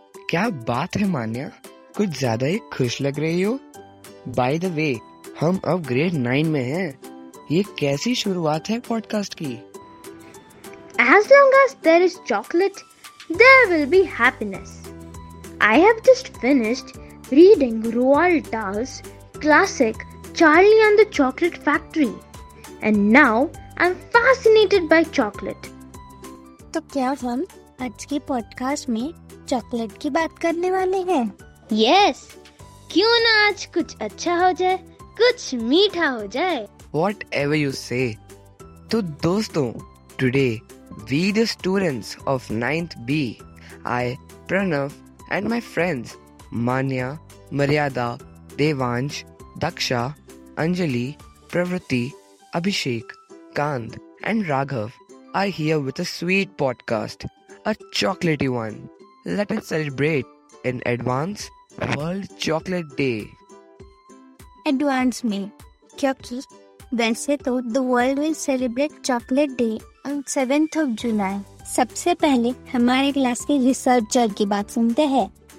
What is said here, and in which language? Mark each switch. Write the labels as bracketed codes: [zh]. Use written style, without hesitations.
[hi] क्या बात है मान्या, कुछ ज्यादा ही खुश लग रही हो. [en] by the way, [hi] हम अब ग्रेड 9 में हैं. ये कैसी शुरुआत है पॉडकास्ट की. [en] As long as there is chocolate, there will be happiness. I have just finished reading Roald Dahl's classic Charlie and the Chocolate Factory, and now I'm fascinated by chocolate. [hi] तो क्या हम आज की पॉडकास्ट में chocolate की बात करने वाले हैं? [en] Yes. [hi] क्यों ना आज कुछ अच्छा हो जाए, कुछ मीठा हो जाए. [en] Whatever you say. [hi] तो दोस्तों, [en] today we the students of 9th B, I Pranav and my friends Manya, Maryada, Devansh, Daksha, Anjali, Pravriti, Abhishek, Kand and Raghav are here with a sweet podcast, a chocolatey one. Let us celebrate in advance World Chocolate Day. Advance me, [hi] क्योंकि वैसे तो [en] the world will celebrate Chocolate Day on 7th of July. [hi] सबसे पहले हमारे class के researcher की बात सुनते हैं.